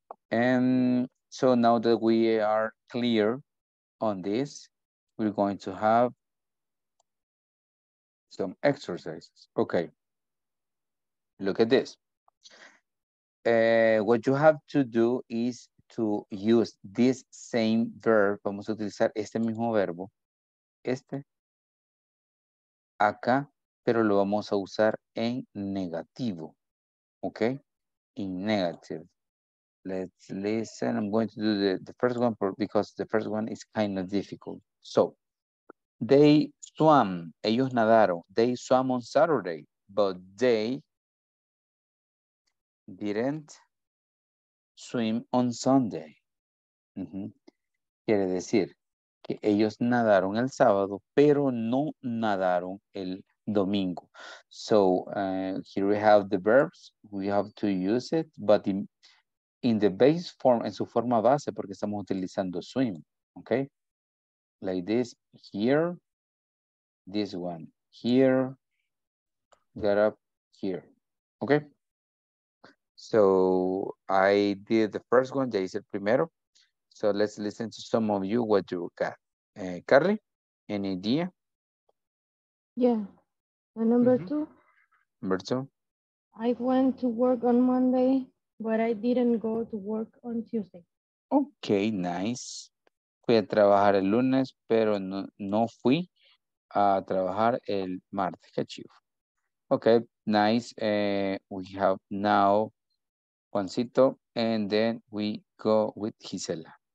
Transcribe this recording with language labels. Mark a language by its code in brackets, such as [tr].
[en] And so now that we are clear on this, we're going to have some exercises. Okay, look at this. What you have to do is to use this same verb. [es] Vamos a utilizar este mismo verbo, este, acá, pero lo vamos a usar en negativo. [en] Okay, in negative. Let's listen. I'm going to do the first one because the first one is kind of difficult. So, they swam. [es] Ellos nadaron. [en] They swam on Saturday, but they didn't swim on Sunday. Mm-hmm. [es] Quiere decir que ellos nadaron el sábado, pero no nadaron el domingo. [en] So, here we have the verbs. We have to use it, but in the base form, [es] en su forma base, porque estamos utilizando [en] swim, okay? like this, here, this one, here, got up here, okay? So I did the first one, [es] ya hice el primero. [en] So let's listen to some of you, what you got. Carly, any idea? Yeah, number two. I went to work on Monday, but I didn't go to work on Tuesday. Okay, nice. [es] Fui a trabajar el lunes, pero no fui a trabajar el martes. Qué chido. [en] Okay, nice. We have now Juancito, and then we go with Gisela.